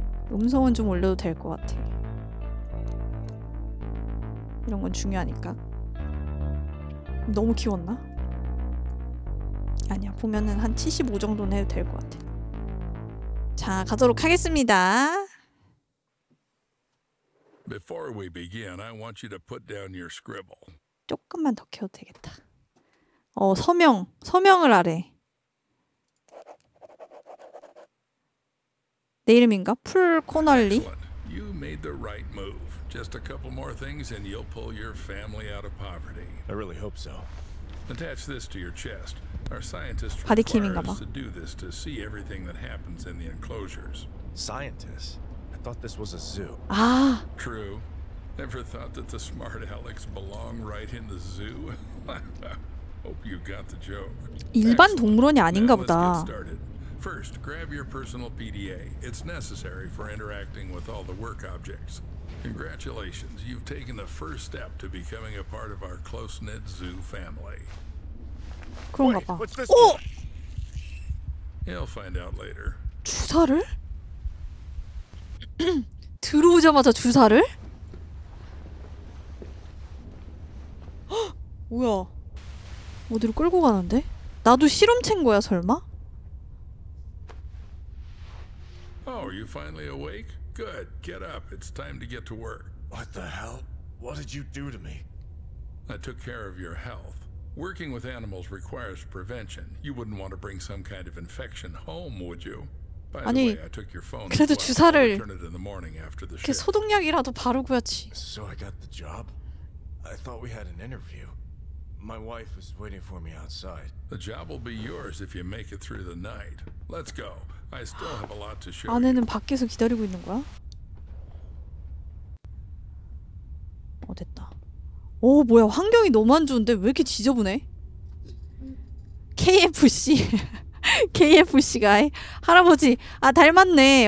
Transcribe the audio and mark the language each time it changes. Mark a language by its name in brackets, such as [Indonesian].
[Korean] 음성은 좀 올려도 될 것 같아. 이런 건 중요하니까. 너무 키웠나? 아니야, 보면은 한 75 정도는 해도 될 것 같아. 자, 가도록 하겠습니다. [English] Before we begin, I want you to put down your scribble. [Korean] 조금만 더 키워도 되겠다. 어, 서명. 서명을 하래. 내 이름인가? [English] 풀코널리? You made the right move. Just a couple more things and you'll pull your family out of poverty. I really hope so. Attach this to your chest. Our scientists require us to do this to see everything that happens in the enclosures. Scientists? I thought this was a zoo. Ah. True. Never thought that the smart Alex belonged right in the zoo. Hope you got the joke. [Korean] 일반 동물원이 아닌가 보다. [English] First, grab your personal PDA. It's necessary for interacting with all the work objects. Congratulations, you've taken the first step to becoming a part of our close-knit zoo family. [Korean] 그런가 봐. [English] Wait, what's this? [Korean] 오! [English] You'll find out later. [Korean] 주사를? 들어오자마자 주사를? 뭐야? 어디로 끌고 가는데? 나도 실험체인 거야, 설마? [English] Oh, you finally awake? Good. Get up. It's time to get to work. What the hell? What did you do to me? I took care of your health. Working with animals requires prevention. You wouldn't want to bring some kind of infection home, would you? By the [Korean] 아니, [English] way, I took your phone. [Korean] 그래도 주사를. 그 소독약이라도 바르고야지. [English] So I got the job. I thought we had an interview. My wife is waiting for me outside. The job will be yours if you make it through the night. Let's go. I still have a lot to show. [Korean] 아내는 밖에서 기다리고 있는 거야? 어 됐다. 오 뭐야, 환경이 너무 안 좋은데 왜 이렇게 지저분해? KFC. KFC가 할아버지. 아 닮았네.